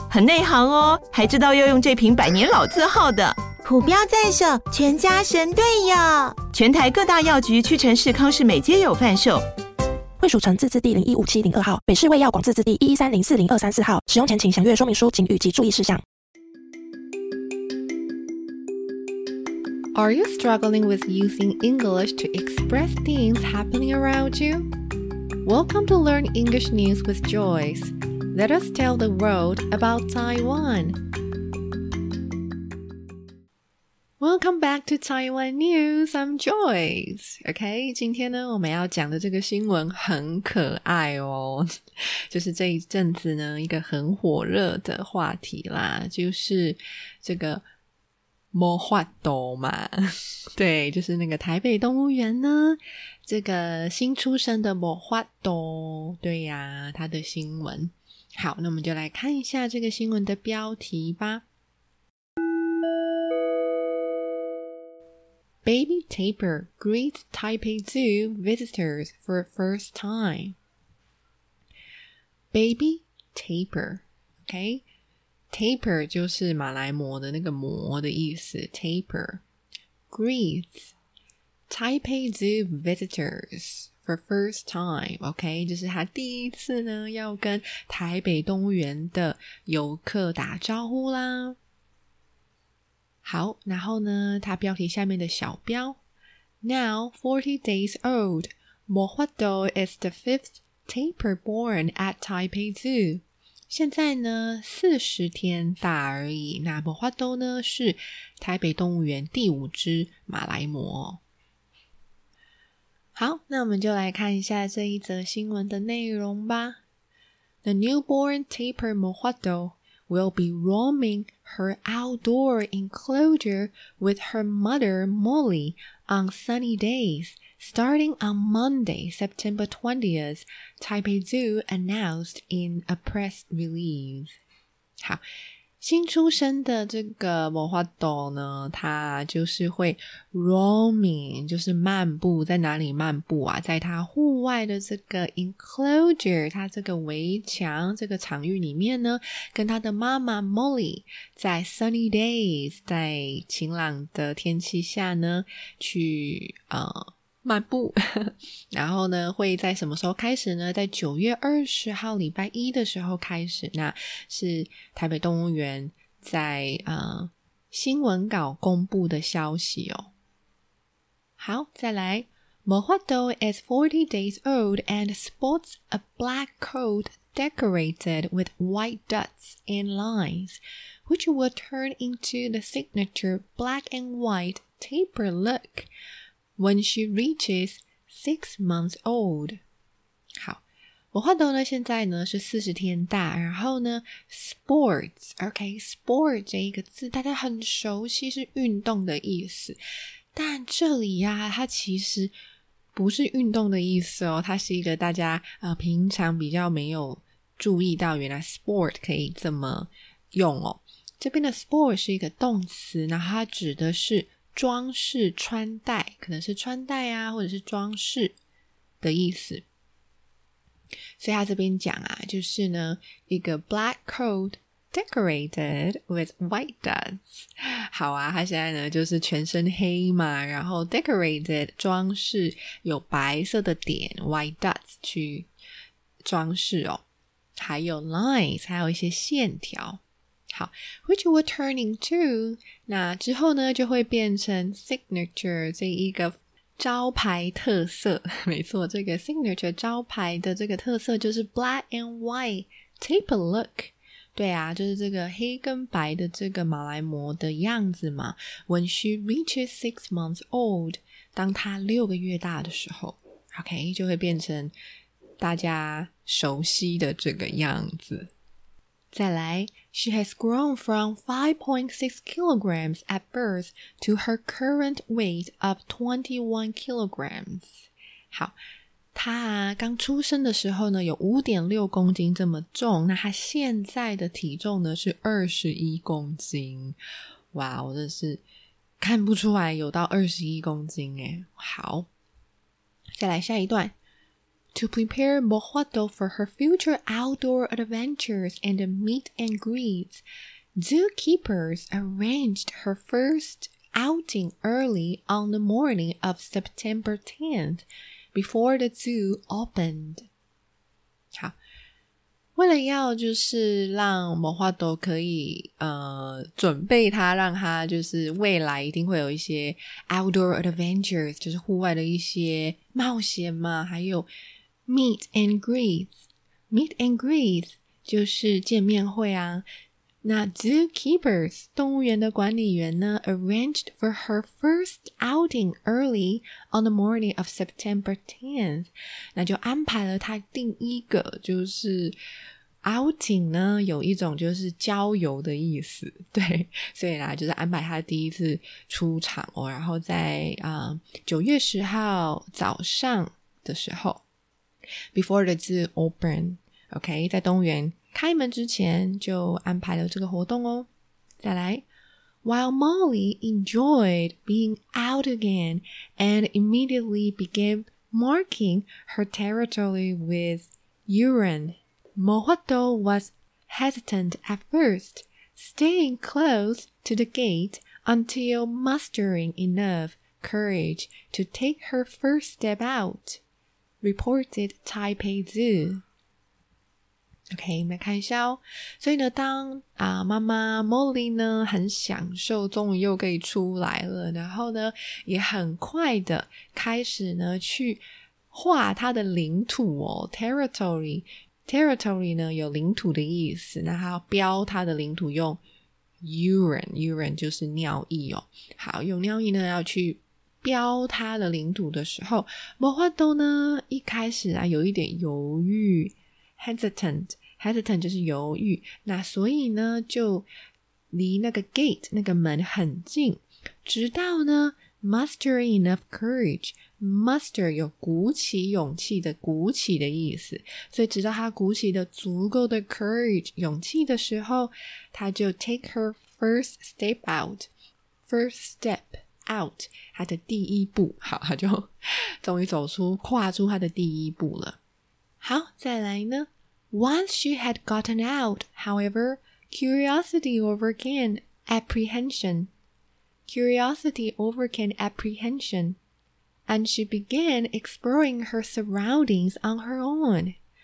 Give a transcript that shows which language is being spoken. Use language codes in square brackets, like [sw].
[zh] 很内行哦，还知道要用这瓶百年老字号的。虎标在手，全家神队友。全台各大药局、屈臣氏、康氏美皆有贩售。卫蜀成字字第015702号，北市卫药广字字第113040234号。使用前请详阅说明书请语及注意事项。 [en] Are you struggling with using English to express things happening around you? Welcome to Learn English News with Joyce. Let us tell the world about Taiwan. Welcome back to Taiwan News. I'm Joyce. [zh] Okay, 今天呢我们要讲的这个新闻很可爱哦。就是这一阵子呢一个很火热的话题啦，就是这个魔化斗嘛。对，就是那个台北动物园呢这个新出生的魔化斗，对呀，它的新闻。好，那我们就来看一下这个新闻的标题吧。 [en] Baby Tapir greets Taipei Zoo visitors for first time. Baby Tapir, okay? Tapir [zh] 就是马来貘的那个貘的意思， [en] Tapir greets Taipei Zoo visitors for first time, okay? [zh] 就是他第一次呢要跟台北动物园的游客打招呼啦。好，然后呢它标题下面的小标， [en] Now 40 days old, Mo Hua Dou is the fifth tapir born at Taipei Zoo. [zh] 现在呢40天大而已，那 Mo Hua Dou 呢是台北动物园第五只马来貘。好，那我们就来看一下这一则新闻的内容吧。 [en] The newborn tapir Mo Hua Dou will be roaming her outdoor enclosure with her mother Molly on sunny days. Starting on Monday, September 20th, Taipei Zoo announced in a press release. [zh] 好，新出生的这个魔化斗呢，它就是会 [en] roaming, [zh] 就是漫步，在哪里漫步啊？在它户外的这个 enclosure, 它这个围墙，这个场域里面呢，跟它的妈妈 Molly 在 [en] sunny days, [zh] 在晴朗的天气下呢，去漫步。然后呢会在什么时候开始呢？在9月20号礼拜一的时候开始，那是台北动物园在新闻稿公布的消息哦。 [en] 好，再来， Mo Hua Dou is 40 days old and sports a black coat decorated with white dots and lines, which will turn into the signature black and white tapir lookWhen she reaches 6 months old. [zh] 好，魔化斗呢现在呢是40天大，然后呢 sports, OK, sport 这一个字大家很熟悉，是运动的意思，但这里啊它其实不是运动的意思哦，它是一个大家平常比较没有注意到原来 sport 可以这么用哦。这边的 sport 是一个动词，然后它指的是装饰穿戴，可能是穿戴啊或者是装饰的意思。所以他这边讲啊，就是呢一个 [en] black coat decorated with white dots。 [zh] 好啊，他现在呢就是全身黑嘛，然后 decorated 装饰，有白色的点 [en] white dots [zh] 去装饰哦，还有 lines 还有一些线条。好， which will turn into, 那之后呢就会变成 signature, 这一个招牌特色。没错，这个 signature 招牌的这个特色就是 [en] black and white tapir look。 [zh] 对啊，就是这个黑跟白的这个马来貘的样子嘛。 [en] When she reaches 6 months old, [zh] 当她六个月大的时候， OK, 就会变成大家熟悉的这个样子。 [en] 再来， She has grown from 5.6 kilograms at birth to her current weight of 21 kilograms. 好， [zh] 他啊，刚出生的时候呢有 5.6 公斤这么重，那他现在的体重呢是21公斤。哇，我真的是看不出来有到21公斤耶。好，再来下一段。 [en] To prepare Mojado for her future outdoor adventures and meet and greets, zookeepers arranged her first outing early on the morning of September 10th before the zoo opened. [zh] 好，为了要就是让Mojado可以准备他，让他就是未来一定会有一些 [en] outdoor adventures, [zh] 就是户外的一些冒险嘛，还有 [en] Meet and greets. Meet and greets [zh] 就是见面会啊。 [en] 那 zookeepers [zh] 动物园的管理员呢 [en] arranged for her first outing early on the morning of September 10th. [zh] 那就安排了她第一个就是 outing 呢有一种就是郊游的意思。对，所以啦就是安排她第一次出场哦，然后在9月10号早上的时候 [en] Before the zoo open, [zh] OK, 在动物园开门之前就安排了这个活动哦。 [en] 再来 ,While Molly enjoyed being out again and immediately began marking her territory with urine, Mojado was hesitant at first, staying close to the gate until mustering enough courage to take her first step out. Reported Taipei Zoo. OK, [zh] 我们来看一下哦。所以呢当妈妈 Molly 呢很享受终于又可以出来了，然后呢也很快的开始呢去画她的领土哦 ,territory。 territory 呢有领土的意思，那她要标她的领土用 urine 就是尿液哦。好，用尿液呢要去标他的领土的时候，魔幻豆呢一开始啊有一点犹豫 ,hesitant 就是犹豫，那所以呢就离那个 gate 那个门很近，直到呢 [en] muster enough courage, [zh] muster 有鼓起勇气的鼓起的意思，所以直到他鼓起的足够的 courage 勇气的时候，他就 [en] take her first step out, [zh] first step,out, 他的第一步，好，他就终于走出，跨出他的第一步了。好，再来呢。 [en] Once she had gotten out, however, curiosity overcame apprehension. Curiosity overcame apprehension. And she began exploring her surroundings on her own.